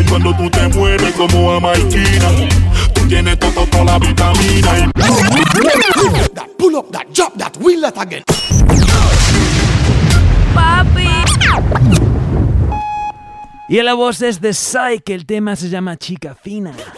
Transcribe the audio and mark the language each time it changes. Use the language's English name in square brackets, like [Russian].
[Spanish] Y cuando tú te mueves como a Martina, tú tienes todo, toda la vitamina. [English] That pull up, that drop, that wheel that again. [Spanish] Papi. Y la voz es de Psy, que el tema se llama Chica Fina.